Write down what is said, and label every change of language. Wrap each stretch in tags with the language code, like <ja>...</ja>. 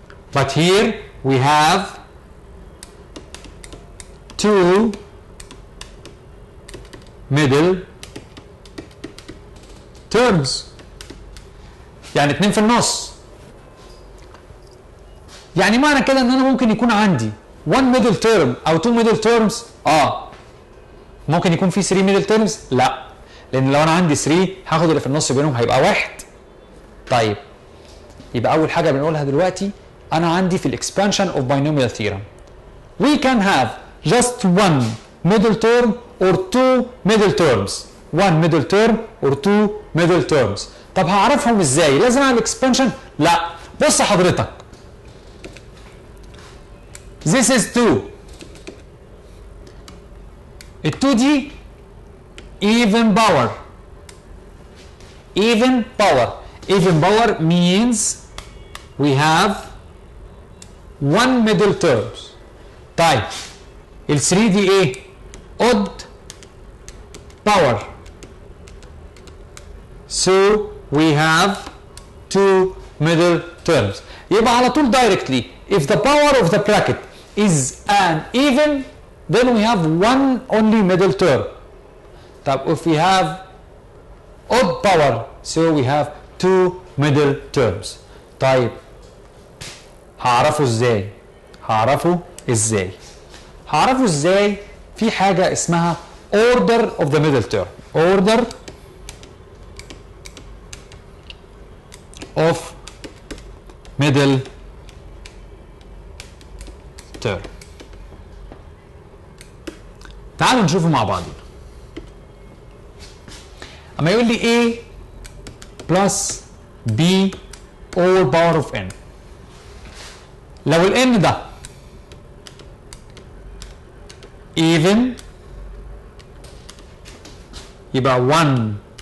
<en>But here we have two middle terms.</en> <ar>يعني اتنين في النص. يعني معنى كده ان انا ممكن يكون عندي one middle term او two middle terms. ممكن يكون في three middle terms. لا. لان لو انا عندي three هاخد اللي في النص بينهم هيبقى واحد. طيب. يبقى اول حاجة بنقولها دلوقتي انا عندي في expansion of binomial theorem.</ar> <en>We can have just one middle term or two middle terms. One middle term or two middle terms.</en> <ar>طب هعرفهم ازاي؟ لازم اعمل expansion؟ لا. بص حضرتك.</ar> <en>This is two. التو دي even power. Even power. Even power means we have one middle terms.</en> <ar>طيب. ال 3 دي ايه؟ odd power.</ar> <en>So we have two middle terms. يبقى على طول directly if the power of the bracket is an even then we have one only middle term. طب if we have odd power so we have two middle terms.</en> <ar>طيب هعرفه ازاي؟ هعرفه ازاي في حاجة اسمها order of the middle term.</ar> <en>Order of middle term.</en> <ar>تعالوا نشوفه مع بعضنا.</ar> <en>اما يقول لي A plus B all power of N.</en> <ar>لو ال N ده even يبقى 1</ar>